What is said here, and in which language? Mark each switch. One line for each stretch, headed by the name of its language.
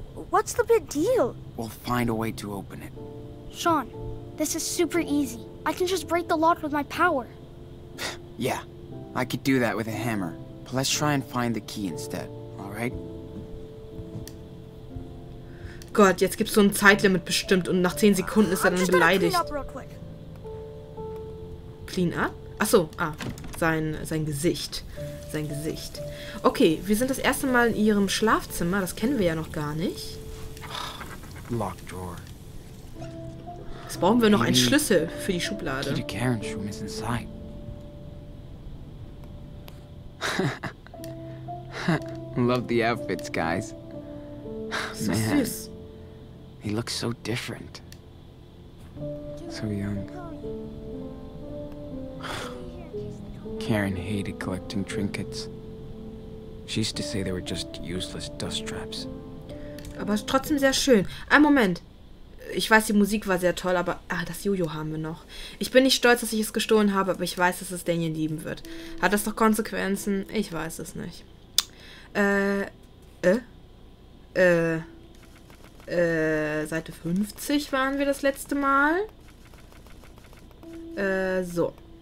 English: What's the big deal? We'll find a way to open it. Sean, this is super easy. I can just break the lock with my power. Yeah, I could do that with a hammer. But let's try and find the key instead, alright?
German: Gott, jetzt gibt's so ein Zeitlimit bestimmt und nach 10 Sekunden ist er dann beleidigt.
English: Clean up?
German: Achso, sein Gesicht. Sein Gesicht. Okay, wir sind das erste Mal in ihrem Schlafzimmer. Das kennen wir ja noch gar nicht.
English: Locked drawer.
German: Jetzt brauchen wir noch einen Schlüssel für die Schublade.
English: The Karen's room is inside. Love the outfits, guys.
German: So man, süß.
English: He looks so different. So young. Karen hated collecting trinkets. She used to say they were just useless dust traps.
German: Aber trotzdem sehr schön. Ein Moment. Ich weiß, die Musik war sehr toll, aber... Ah, das Jojo haben wir noch. Ich bin nicht stolz, dass ich es gestohlen habe, aber ich weiß, dass es Daniel lieben wird. Hat das doch Konsequenzen? Ich weiß es nicht. Seite 50 waren wir das letzte Mal. So.